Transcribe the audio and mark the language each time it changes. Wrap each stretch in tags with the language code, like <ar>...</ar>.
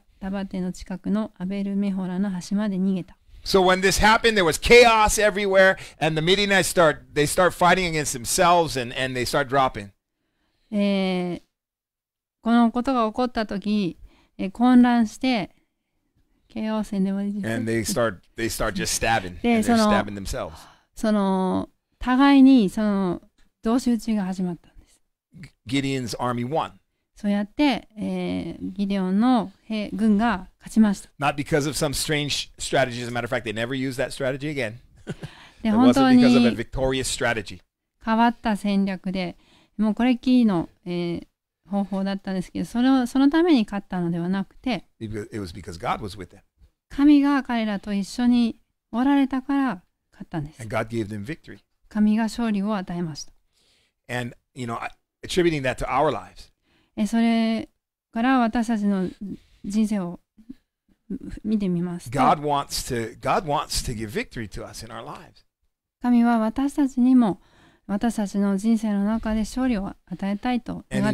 <ja>21節。それぞれ陣営の周囲の持ち場に着いたので、陣営の者は皆走り出し、大声を上げて逃げた。300人が角笛を吹き鳴らしている間に、主は陣営の前面に渡って同士打ちが起こるようにされた。それで陣営はツェレラの方のベテハシタやタバテの近くのアベルメホラの端まで逃げた。</ja> <en>So when this happened, there was chaos everywhere, and the Midianites start fighting against themselves, and they start dropping.</en> <ja>このことが起こった時、混乱して、ケオスで、</ja> <en>and they start just stabbing, stabbing themselves.</en> <ja>その互いにその同士打ちが始まったんです。</ja> <en>Gideon's army won.</en> <ja>そうやって、ギデオンの兵軍が勝ちました。</ja> <en>Not because of some strange strategy. As a matter of fact, they never used that strategy again.</en> <ja>で本当に</ja> <en>because of a victorious strategy.</en> <ja>変わった戦略で、もうこれっきりの、方法だったんですけど、そのために勝ったのではなくて、</ja> <en>It was because God was with them.</en> <ja>神が彼らと一緒におられたから勝ったんです。</ja> <en>And God gave them victory.</en> <ja>神が勝利を与えました。</ja> <en>And, you know, attributing that to our lives.</en> <ja>それから私たちの人生を見てみますと、</ja> <en>God wants to give victory to us in our lives.</en> <ja>神は私たちにも私たちの人生の中で勝利を与えたいと願っています。</ja>